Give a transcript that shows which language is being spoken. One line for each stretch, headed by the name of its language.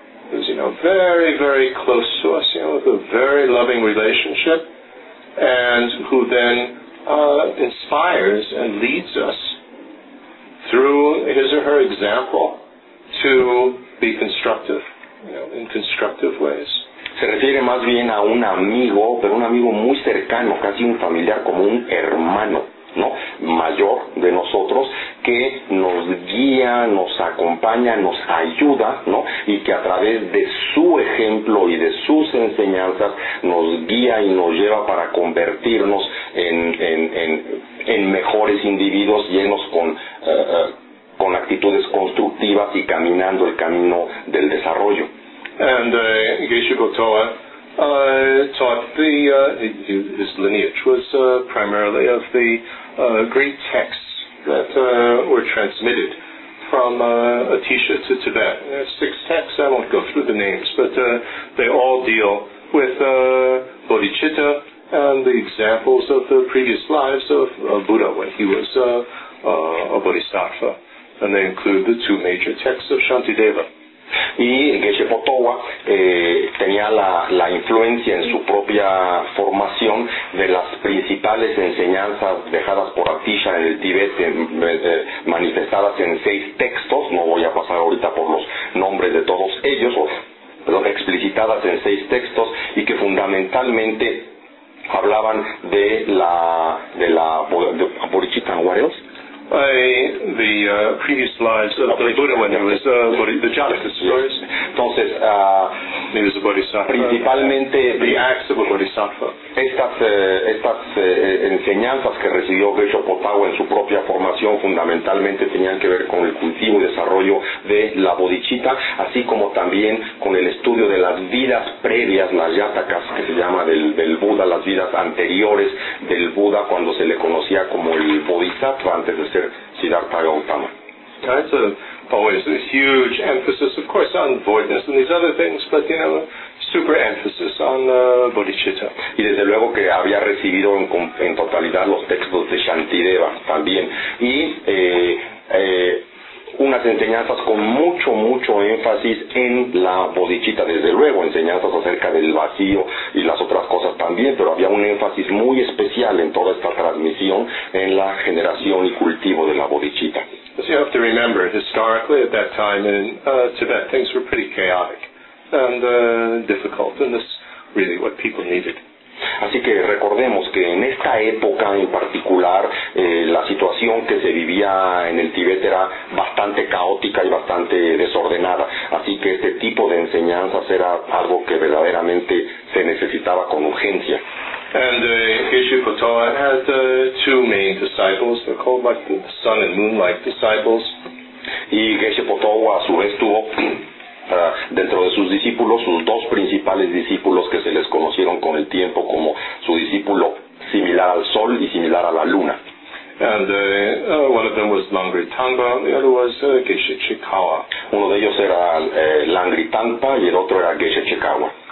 English: Who's, you know, very, very close to us, you know, with a very loving relationship, and who then inspires and leads us through his or her example to be constructive, you know, in constructive ways.
Spanish: Se refiere más bien a un amigo, pero un amigo muy cercano, casi un familiar, como un hermano, ¿no? Mayor de nosotros, que nos guía, nos acompaña, nos ayuda, ¿no? Y que a través de su ejemplo y de sus enseñanzas nos guía y nos lleva para convertirnos en mejores individuos llenos con actitudes constructivas y caminando el camino del desarrollo.
English: And Geshe Potawa taught the his lineage was primarily of the great texts that were transmitted from Atisha to Tibet. There's six texts, I won't go through the names, but they all deal with bodhicitta and the examples of the previous lives of Buddha when he was a bodhisattva. And they include the two major texts of Shantideva.
Spanish: Y Geshe Potowa tenía la influencia en su propia formación de las principales enseñanzas dejadas por Atisha en el Tíbet, manifestadas en seis textos. No voy a pasar ahorita por los nombres de todos ellos, pero explicitadas en seis textos, y que fundamentalmente hablaban de la bodhicitta.
English: What else? Previous lives of the Buddha when he was the Jataka stories.
Spanish: Entonces,
English: he was a bodhisattva.
Spanish: Principalmente,
English: the acts of a bodhisattva.
Spanish: Estas enseñanzas que recibió Geshe Potawa en su propia formación fundamentalmente tenían que ver con el cultivo y desarrollo de la bodhicitta, así como también con el estudio de las vidas previas, las yatakas, que se llama del Buda, las vidas anteriores del Buda cuando se le conocía como el bodhisattva antes de ser Siddhartha Gautama.
English: That's always a huge emphasis, of course, on voidness and these other things, but you know, super emphasis on bodhicitta.
Spanish: Y desde luego que había recibido en totalidad los textos de Shantideva también. Y unas enseñanzas con mucho, mucho énfasis en la bodhicitta, desde luego, enseñanzas acerca del vacío y las otras cosas también, pero había un énfasis muy especial en toda esta transmisión en la generación y cultivo de la bodhicitta.
English: So you have to remember, historically, at that time in Tibet, things were pretty chaotic and difficult, and that's really what people needed.
Spanish: Así que recordemos que en esta época en particular, la situación que se vivía en el Tíbet era bastante caótica y bastante desordenada. Así que este tipo de enseñanzas era algo que verdaderamente se necesitaba con urgencia.
English: And Geshe Potawa had two main disciples. They're called like the sun and moon-like disciples.
Spanish: Y Geshe Potawa a su vez tuvo dentro de sus discípulos sus dos principales discípulos que se les conocieron con el tiempo como su discípulo similar al sol y similar a la luna.
English: And one of them was Langri Tangpa, the other was Geshe Chikawa.
Spanish: Uno de ellos era Langri Tangpa y el otro era Geshe Chikawa.